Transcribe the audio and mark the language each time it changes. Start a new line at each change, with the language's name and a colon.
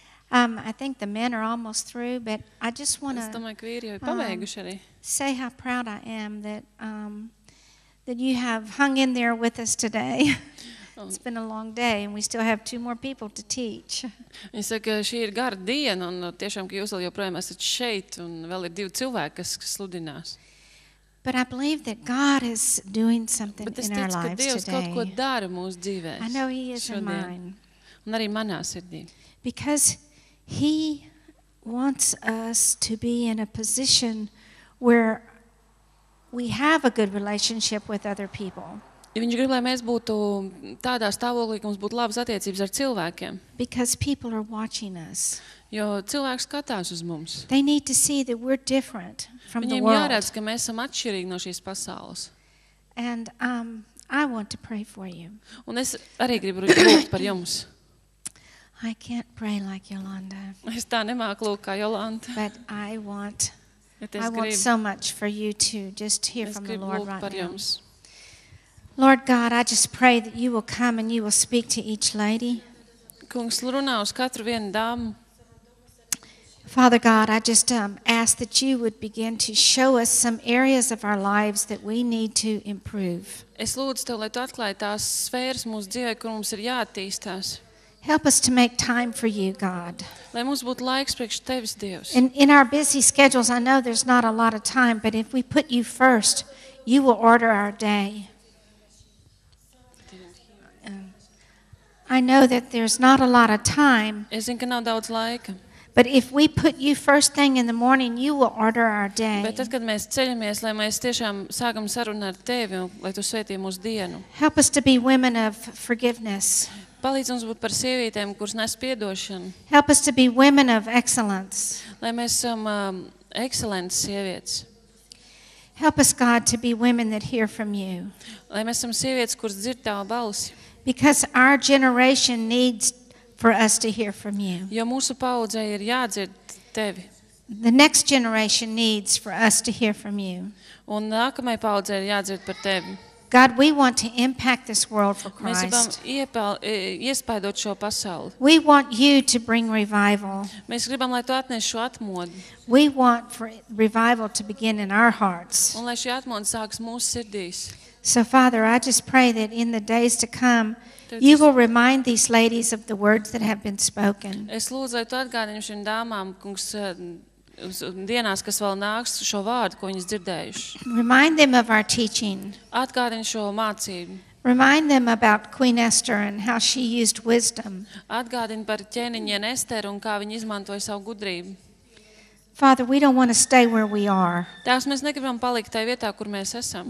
English: I think the men are almost through, but I just want to say how proud I am that that you have hung in there with us today. It's been a long day, and we still have two more people to teach.
Latvian: Es saku, šī ir gara diena, un tiešām, ka jūs vēl joprojām esat šeit, un vēl ir divi cilvēki, kas sludinās.
English: But I believe that God is doing something in our lives today.
Latvian: Bet es teicu, ka Dievs kaut ko dara mūsu dzīvēs.
English: I know he is in mine.
Latvian: Un arī manā sirdī.
English: Because he wants us to be in a position where we have a good relationship with other people.
Latvian: Ja viņš grib, lai mēs būtu tādā stāvoklī, ka mums būtu labas attiecības ar cilvēkiem.
English: Because people are watching us.
Latvian: Jo cilvēki skatās uz mums.
English: They need to see that we're different from
Latvian: Viņiem
English: the world.
Latvian: Viņiem jāredz, ka mēs esam atšķirīgi no šīs pasaules.
English: And I want to pray for you.
Latvian: Un es arī gribu lūgt par jums.
English: I can't pray like Yolanda.
Latvian: Es tā nemāku lūgt kā Yolanda.
English: But I want so much for you to just hear
Latvian: es
English: from the Lord right
Latvian: par
English: now.
Latvian: Jums.
English: Lord God, I just pray that you will come and you will speak to each lady.
Latvian: Kungs runā uz katru vienu dāmu.
English: Father God, I just ask that you would begin to show us some areas of our lives that we need to improve.
Latvian: Es lūdzu tev, lai tu atklāji tās sfēras mūsu dzīvē, kur mums ir jāattīstās.
English: Help us to make time for you, God.
Latvian: Lai mums būtu laiks priekš tevis, Dievs.
English: In our busy schedules, I know there's not a lot of time, but if we put you first, you will order our day. I know that there's not a lot of time.
Latvian: Es zinu, ka nav daudz laika.
English: But if we put you first thing in the morning, you will order our day.
Latvian: Bet tad, kad mēs ceļamies, lai mēs tiešām sākam sarunu ar tevi, lai tu svētī mūsu dienu.
English: Help us to be women of forgiveness.
Latvian: Palīdz mums būt par sievietēm, kuras nes piedošanu.
English: Help us to be women of excellence.
Latvian: Lai mēs esam excellence sievietes.
English: Help us, God, to be women that hear from you.
Latvian: Lai mēs esam sievietes, kuras dzird tavu balsi.
English: Because our generation needs for us to hear from you.
Latvian: Jo mūsu paudzei ir jādzird tevi.
English: The next generation needs for us to hear from you.
Latvian: Un nākamai paudzei ir jādzird par tevi.
English: God, we want to impact this world for Christ.
Latvian: Mēs gribam iespaidot šo pasauli.
English: We want you to bring revival.
Latvian: Mēs gribam, lai tu atnesi šo atmodu.
English: We want for revival to begin in our hearts.
Latvian: Un lai šī atmoda sāks mūsu sirdīs.
English: So, Father, I just pray that in the days to come, you will remind these ladies of the words that have been spoken.
Latvian: Es lūdzu, lai tu atgādini šīm dāmām, kungs, dienās, kas vēl nāks, šo vārdu, ko viņas dzirdējuši.
English: Remind them of our teaching.
Latvian: Atgādini šo mācību.
English: Remind them about Queen Esther and how she used wisdom.
Latvian: Atgādini par ķēniņiem Esteru un kā viņa izmantoja savu gudrību.
English: Father, we don't want to stay where we are.
Latvian: Tās mēs negribam palikt tajā vietā, kur mēs esam.